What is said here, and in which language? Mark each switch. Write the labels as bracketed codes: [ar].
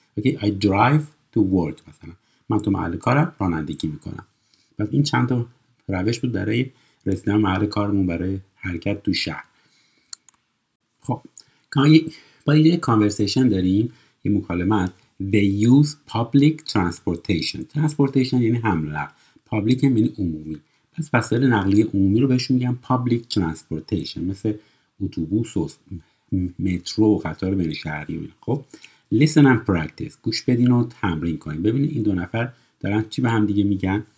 [fa] اوکی، [en] I drive to work [fa] مثلا، من تو محل کارم رانندگی میکنم. پس این چند تا روش بود برای رسیدن محل کارمون، برای حرکت تو شهر. خب با یه کانورسیشن داریم، یه مکالمه است. [en] they use public transportation. [fa] transportation یعنی حمل و نقل، public هم یعنی عمومی. پس وسایل نقلیه عمومی رو بهشون میگن public transportation، مثل اتوبوس و مترو و قطار بین شهری. خب [en] listen and practice، [fa] گوش بدین و تمرین کنین. ببینید این دو نفر دارن چی به هم دیگه میگن.